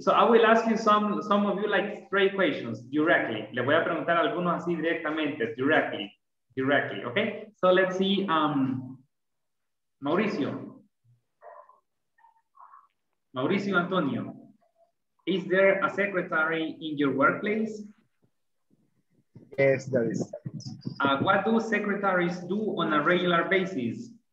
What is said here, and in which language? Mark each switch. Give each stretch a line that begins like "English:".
English: So I will ask you some of you like three questions directly.
Spanish: Le voy a preguntar a algunos así directamente,
English: directly, okay? So let's see, Mauricio Antonio, is there a secretary in your workplace? Yes, there is. What do secretaries do on a regular basis?